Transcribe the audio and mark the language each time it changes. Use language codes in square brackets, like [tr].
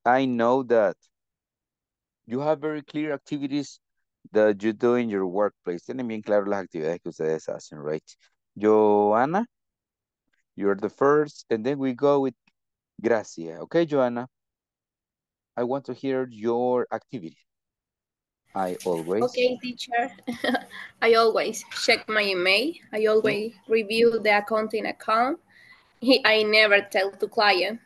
[en] I know that you have very clear activities that you do in your workplace. [es] Tienen bien claro las actividades que ustedes hacen, right? [en] Joanna, you're the first, and then we go with Gracia. Okay, Joanna, I want to hear your activity. I always. Okay, teacher. I always check my email. I always review the accounting account. I never tell to client.